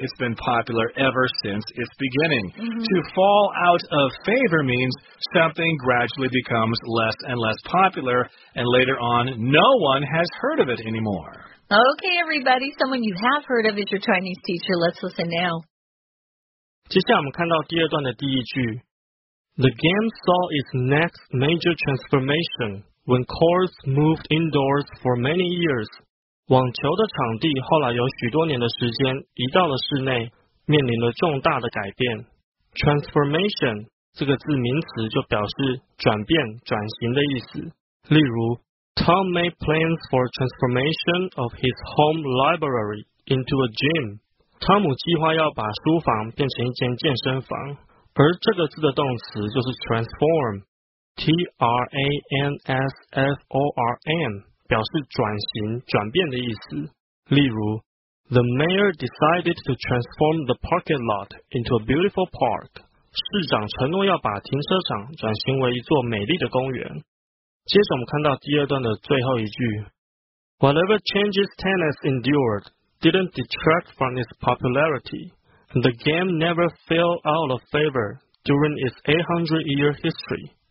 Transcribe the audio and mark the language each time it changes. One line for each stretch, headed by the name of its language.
English: It's been popular ever since its beginning. To fall out of favor means something gradually becomes less and less popular, and later on, no one has heard of it anymore. Okay, everybody. Someone you have heard of is your Chinese teacher. Let's listen now.
Chinese: 接下来我们看到第二段的第一句.
English: The game saw its next major transformation when courts moved indoors for many years.
Chinese: 网球的场地后来有许多年的时间移到了室内，面临了重大的改变。 Transformation 这个字名词就表示转变、转型的意思。例如
English: ，Tom made plans for transformation of his home library into a gym.
Chinese: 汤姆计划要把书房变成一间健身房。而这个字的动词就是 transform， T-R-A-N-S-F-O-R-M， 表示转型、转变的意思。例如
English: ，The mayor decided to transform the parking lot into a beautiful park.
Chinese: 市长承诺要把停车场转型为一座美丽的公园。接着我们看到第二段的最后一句
English: ，Whatever changes tennis endured didn't detract from its popularity. The game never fell out of favor during its 800-year history.